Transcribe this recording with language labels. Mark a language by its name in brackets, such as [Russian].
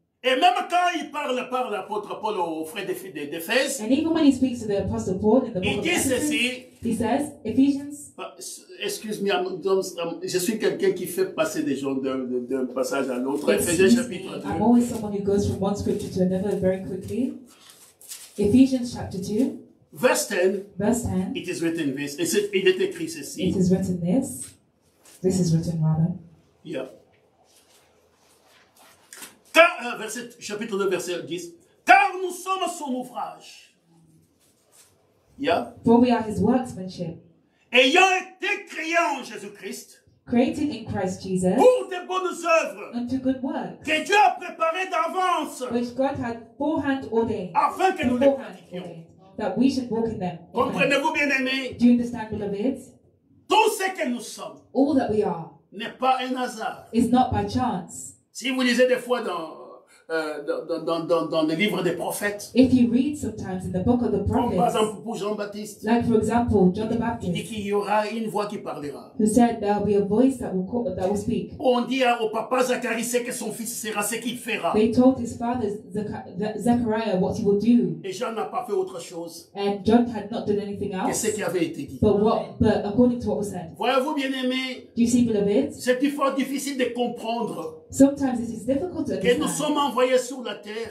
[French] Et même quand il parle par l'apôtre Paul aux frères d'Éphèse, [English] and even when he speaks to the apostle Paul in the book of Ephesians, he says, Ephesians. Excuse me, [French] je suis quelqu'un qui fait passer des gens d'un passage à l'autre. Ephésiens chapitre 2. [English] I'm always someone who goes from one scripture to another very quickly. Ephesians chapter 2. Verse 10. Verse 10. It is written this. [French] Il est écrit ceci. [English] It is written this. This is written rather. Yeah. [French] Car, verset, chapitre 2, verset 10. Car nous sommes son ouvrage. Yeah. [English] For we are his workmanship. [French] Ayant été créé en Jésus-Christ. [English] Created in Christ Jesus. [French] Pour des bonnes œuvres. [English] Unto good works. [French] Que Dieu a préparé d'avance. [English] Which God had beforehand ordained. [French] Afin que nous les pratiquions. [English] That we should walk in them. [French] Comprenez-vous bien aimé? [English] Do you understand, beloved? [French] Tout ce que nous sommes. [English] All that we are. [French] N'est pas un hasard. [English] Is not by chance. [French] Si vous lisez des fois dans le livre des prophètes. [English] If you read sometimes in the book of the prophets. [French] Comme par exemple pour Jean-Baptiste. [English] Like for example, John the Baptist. [French] Il dit qu'il y aura une voix qui parlera. [English] Who said there will be a voice that will speak. [French] On dit au papa Zacharie ce que son fils sera, ce qu'il fera. [English] They told his father Zechariah what he will do. [French] Et Jean n'a pas fait autre chose. [English] And John had not done anything else. [French] Que ce qui avait été dit. [English] But according to what was said. [French] Voyez-vous bien aimé? [English] Do you see, beloved? [French] C'est fort difficile de comprendre. [English] Sometimes it is difficult to understand. [French] Que nous sommes envoyés sur la terre.